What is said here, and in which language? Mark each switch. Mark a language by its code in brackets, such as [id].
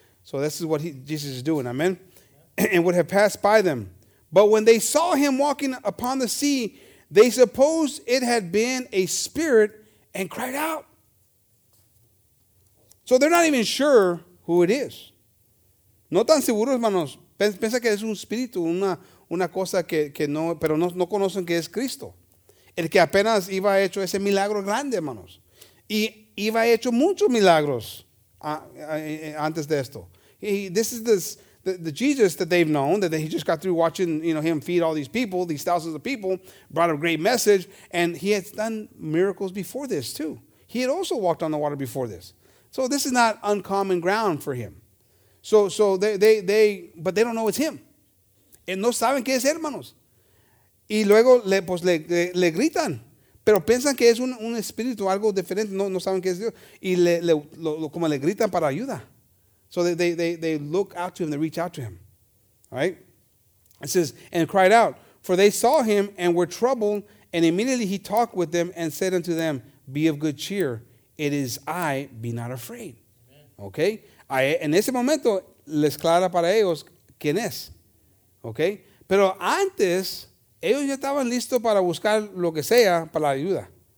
[en] So this is what Jesus is doing. Amen? And would have passed by them. But when they saw him walking upon the sea, they supposed it had been a spirit and cried out. So they're not even sure who it is. [es] No tan seguros, hermanos. Piensa que es un espíritu, una cosa que no, pero no conocen que es Cristo. El que apenas iba a hecho ese milagro grande, hermanos. Y iba a hecho muchos milagros antes de esto. [en] The Jesus that they've known, that he just got through watching, you know, him feed all these people, these thousands of people, brought a great message, and he had done miracles before this too. He had also walked on the water before this. So this is not uncommon ground for him. So they but they don't know it's him. [es] Y no saben qué es, hermanos. Y luego le gritan, pero piensan que es un espíritu, algo diferente, no saben qué es Dios. Y como le gritan para ayuda. [en] So they look out to him, they reach out to him, all right? It says, and cried out, for they saw him and were troubled, and immediately he talked with them and said unto them, be of good cheer, it is I, be not afraid. Amen. Okay? [es] En ese momento, les clara para ellos quién es, okay? Pero antes, ellos ya estaban listos para buscar lo que sea para la ayuda.